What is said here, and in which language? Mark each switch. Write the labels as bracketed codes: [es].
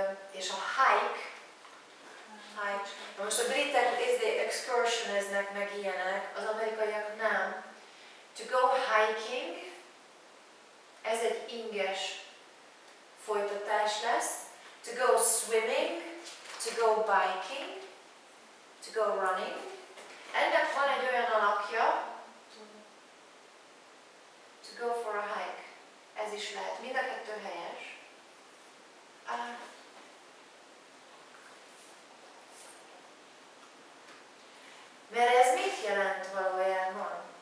[hu] És a hike, hype. Na most a britek excursionisnek meg ilyenek, az amerikaiak nem. [en] To go hiking, [hu] ez egy inges folytatás lesz. [en] To go swimming, to go biking, to go running. [hu] Ennek van egy olyan alakja, [en] to go for a hike. [hu] Ez is lehet. Mind a kettő helyes. Mert ez mit jelent valójában?